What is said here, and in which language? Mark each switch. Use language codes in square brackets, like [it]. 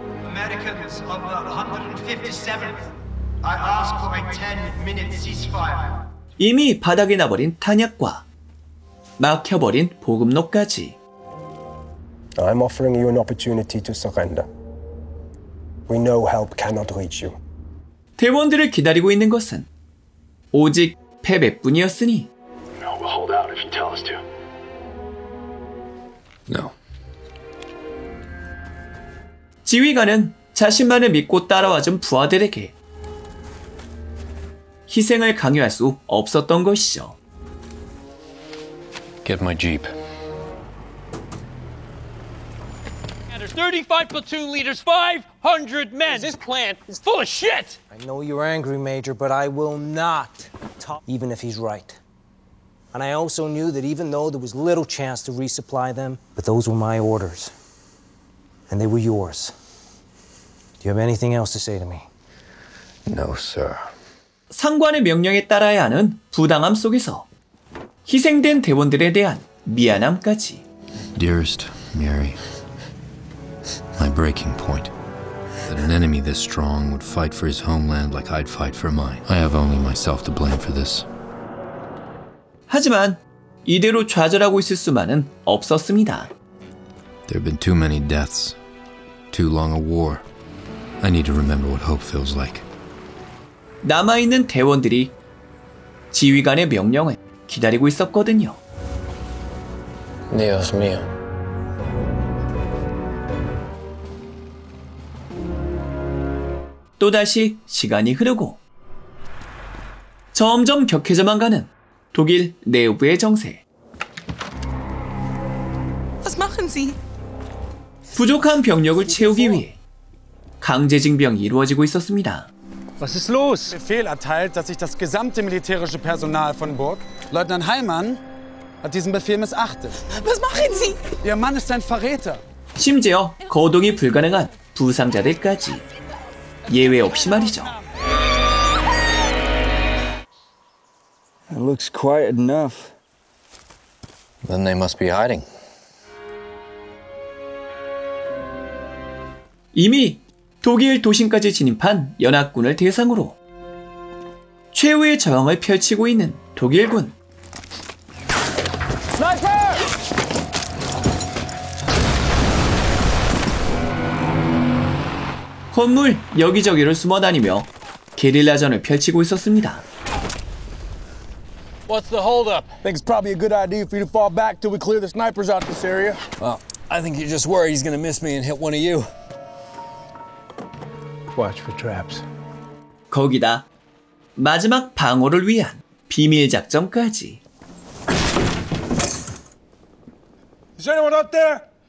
[en] Americans of the 157th, I ask for a 10-minute ceasefire. [ko] 이미 바닥에 나버린 탄약과 막혀버린 보급로까지. [en] I'm offering you an opportunity to surrender. We know help cannot reach you. [ko] 대원들을 기다리고 있는 것은 오직 패배뿐이었으니. [en] No, we'll hold out if you tell us to. No. [ko] 지휘관은 자신만을 믿고 따라와준 부하들에게 희생을 강요할 수 없었던 것이죠. [en] Get my jeep. And there's 35 platoon leaders, 500 men. This plan is full of shit. I know you're angry, Major, but I will not talk, even if he's right. And I also knew that even though there was little chance to resupply them, but those were my orders, and they were yours. Do you have anything else to say to me? No, sir. [ko] 상관의 명령에 따라야 하는 부당함 속에서 희생된 대원들에 대한 미안함까지. [en] Dearest Mary, my breaking point. That an enemy this strong would fight for his homeland like I'd fight for mine. I have only myself to blame for this. [ko] 하지만 이대로 좌절하고 있을 수만은 없었습니다. [en] There have been too many deaths, too long a war. I need to remember what hope feels like. [ko] 남아있는 대원들이 지휘관의 명령을 기다리고 있었거든요. [es] Dios mío. [ko] 또다시 시간이 흐르고 점점 격해져만 가는 독일 내부의 정세. [de] Was machen Sie? [ko] 부족한 병력을 채우기 위해 강제징병이 이루어지고 있었습니다. [de] Was ist los? Befehl erteilt, dass sich das gesamte militärische Personal von Burg, Leutnant Heimann, hat diesen Befehl missachtet. Was machen Sie? Ihr Mann ist ein Verräter. [ko] 심지어 거동이 불가능한 부상자들까지 예외 없이 말이죠. [en] It looks quiet enough. Then they must be hiding. [ko] 이미 독일 도심까지 진입한 연합군을 대상으로 최후의 저항을 펼치고 있는 독일군. 건물 여기저기를 숨어 다니며 게릴라전을 펼치고 있었습니다. [en] What's the hold up? I think it's probably a good idea for you to fall back till we clear the snipers out this area. Well, I think you're just worried he's gonna miss me and hit one of you. Watch for traps. [ko] 거기다 마지막 방어를 위한 비밀 작전까지. [en] Is anyone out there?